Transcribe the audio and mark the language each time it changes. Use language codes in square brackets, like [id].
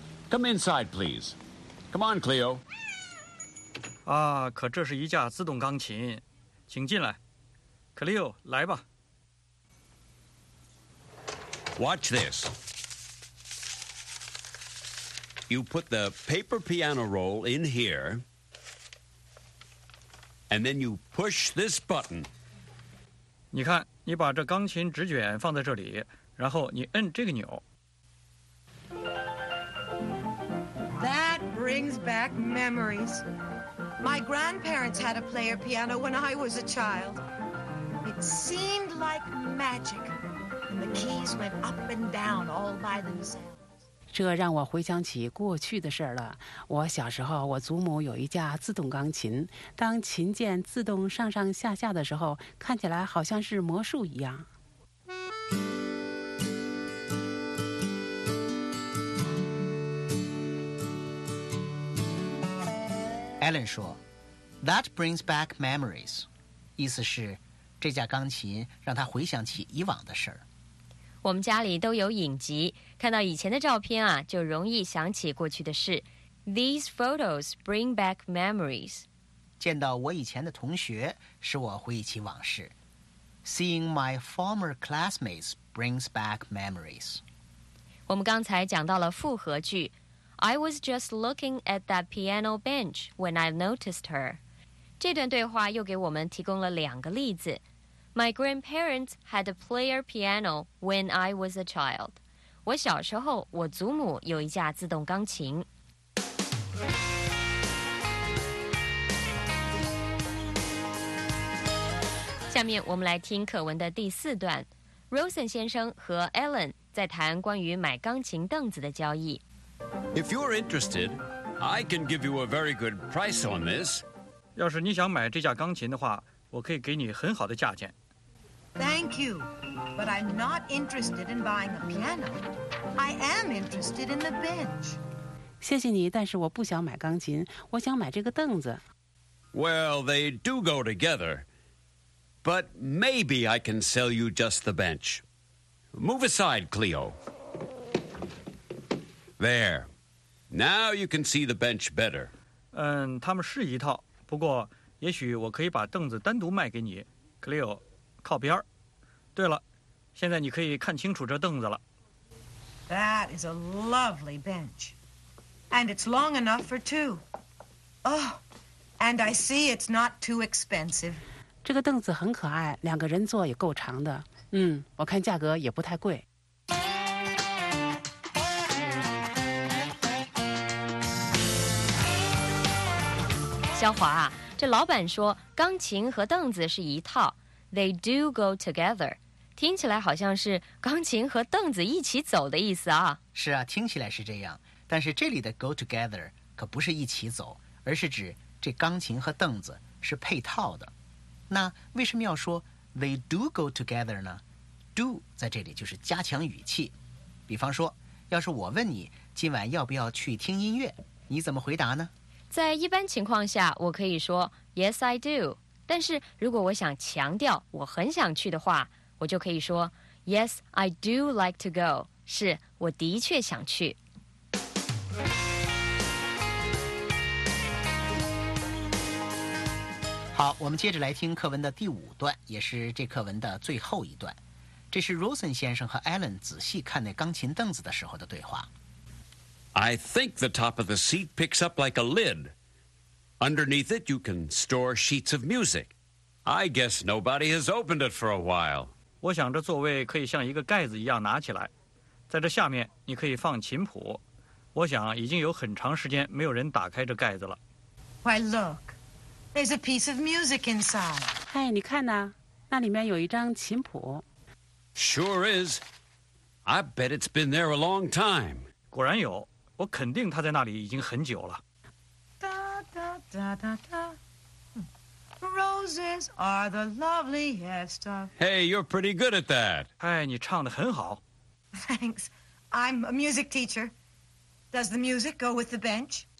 [en] Come inside, please. Come on, Cleo. [zh] 啊，可这是一架自动钢琴，请进来。 Cleo, 来吧。 [en] Watch this. You put the paper piano roll in here, and then you push this button. [zh] 你看，你把这钢琴纸卷放在这里，然后你摁这个钮。 [en] That brings back memories. My grandparents had a player piano when I was a child. It seemed like magic, and the keys went up and down all by themselves. [zh] 这让我回想起过去的事了。我小时候，我祖母有一架自动钢琴，当琴键自动上上下下的时候，看起来好像是魔术一样。 Alan 说 ， [en] That brings back memories， [zh] 意思是这架钢琴让他回想起以往的事儿。我们家里都有影集，看到以前的照片啊，就容易想起过去的事。 [en] These photos bring back memories. [zh] 见到我以前的同学使我回忆起往事。 [en] Seeing my former classmates brings back memories. [zh] 我们刚才讲到了复合句。 [en] I was just looking at that piano bench when I noticed her. [zh] 这段对话又给我们提供了两个例子。 [en] My grandparents had a player piano when I was a child. [zh] 我小时候，我祖母有一架自动钢琴。下面我们来听课文的第四段。Rosen 先生和 Alan 在谈关于买钢琴凳子的交易。 [en] If you're interested, I can give you a very good price on this. [zh] 要是你想买这架钢琴的话，我可以给你很好的价钱。 [en] Thank you, but I'm not interested in buying a piano. I am interested in the bench. [zh] 谢谢你，但是我不想买钢琴，我想买这个凳子。 [en] Well, they do go together. But maybe I can sell you just the bench. Move aside, Cleo. There. Now you can see the bench better. [zh] 嗯，他们是一套，不过也许我可以把凳子单独卖给你。 Cleo， 靠边。对了，现在你可以看清楚这凳子了。 [en] That is a lovely bench. And it's long enough for two. Oh, and I see it's not too expensive. [zh] 这个凳子很可爱，两个人坐也够长的。嗯，我看价格也不太贵。肖华啊，这老板说钢琴和凳子是一套， [en] They do go together， [zh] 听起来好像是钢琴和凳子一起走的意思啊。是啊，听起来是这样，但是这里的 [en] go together [zh] 可不是一起走，而是指这钢琴和凳子是配套的。那为什么要说 [en] They do go together [zh] 呢？ Do 在这里就是加强语气。比方说，要是我问你今晚要不要去听音乐，你怎么回答呢？在一般情况下我可以说 [en] Yes, I do， [zh] 但是如果我想强调我很想去的话，我就可以说 [en] Yes, I do like to go， [zh] 是我的确想去。好，我们接着来听课文的第五段，也是这课文的最后一段。这是 Rosen 先生和 Alan 仔细看那钢琴凳子的时候的对话。 [en] I think the top of the seat picks up like a lid. Underneath it, you can store sheets of music. I guess nobody has opened it for a while. [zh] 我想这座位可以像一个盖子一样拿起来。在这下面，你可以放琴谱。我想已经有很长时间没有人打开这盖子了。 [en] Why, look. There's a piece of music inside. [zh] 哎，你看呐，那里面有一张琴谱。 [en] Sure is. I bet it's been there a long time. [zh] 果然有，我肯定他在那里已经很久了。 [en] 哒哒哒哒哒 ，Roses are the loveliest of. Hey, you're pretty good at that. [zh] 哎，你唱得很好。 [en] Thanks, I'm a music teacher. Does the music go with the bench?